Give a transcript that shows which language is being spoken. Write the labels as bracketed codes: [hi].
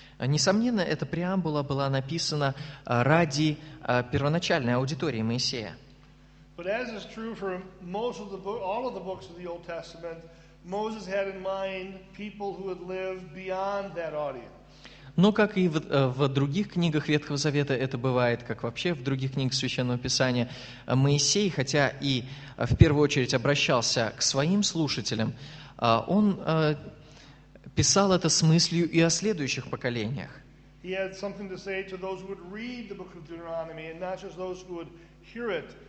[ru] несомненно, эта преамбула была написана ради первоначальной аудитории Моисея. [en] But as is true for most of the book, all of the books of the Old Testament, Moses had in mind people who would live beyond that audience. [ru] Но как и в других книгах Ветхого Завета это бывает, как вообще в других книгах Священного Писания, Моисей, хотя и в первую очередь обращался к своим слушателям, он писал это с мыслью и о следующих поколениях. [en] He had something to say to those who would read the book of Deuteronomy and not just those who would hear it.